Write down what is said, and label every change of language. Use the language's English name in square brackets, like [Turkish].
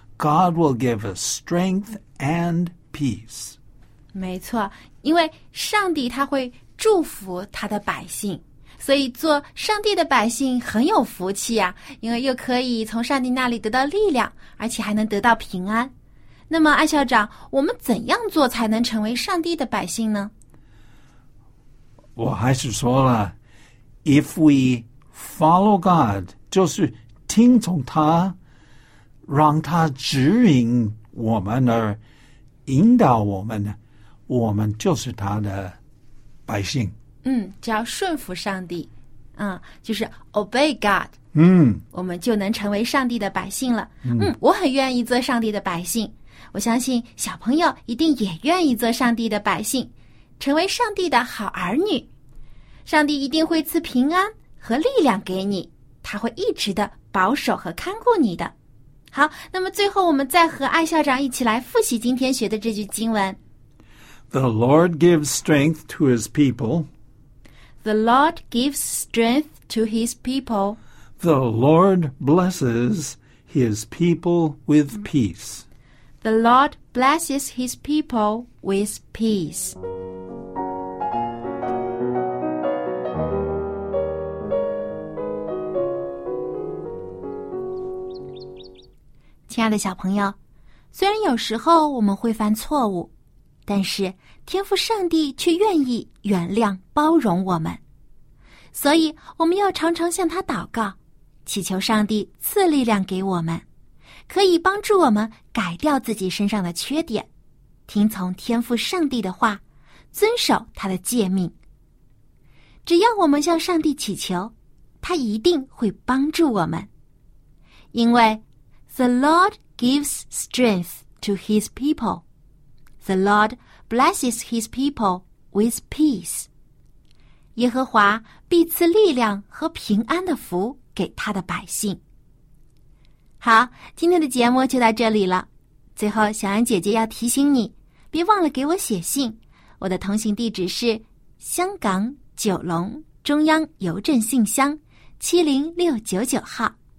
[English] God will give us strength and peace. [Chinese] 没错，因为上帝他会祝福他的百姓，所以做上帝的百姓很有福气啊，因为又可以从上帝那里得到力量，而且还能得到平安。那么艾校长，我们怎样做才能成为上帝的百姓呢？我还是说了， [English] If we follow God， [Chinese] 就是听从他，让他指引我们而引导我们，我们就是他的百姓。嗯，只要顺服上帝，就是 [English] obey God， [Chinese] 我们就能成为上帝的百姓了。我很愿意做上帝的百姓，我相信小朋友一定也愿意做上帝的百姓，成为上帝的好儿女。上帝一定会赐平安和力量给你，他会一直的保守和看顾你的。好，那么最后我们再和艾校长一起来复习今天学的这句经文。 [English] The Lord gives strength to his people. The Lord gives strength to his people. The Lord blesses his people with peace. The Lord blesses his people with peace. [Chinese] 亲爱的小朋友，虽然有时候我们会犯错误，但是天父上帝却愿意原谅包容我们，所以我们要常常向他祷告，祈求上帝赐力量给我们，可以帮助我们改掉自己身上的缺点，听从天父上帝的话，遵守他的诫命。只要我们向上帝祈求，他一定会帮助我们，因为 [English] The Lord gives strength to his people. The Lord blesses his people with peace. [Chinese] 耶和华必赐力量和平安的福给他的百姓。好，今天的节目就到这里了。最后，小安姐姐要提醒你，别忘了给我写信。我的通信地址是香港九龙中央邮政信箱70699号。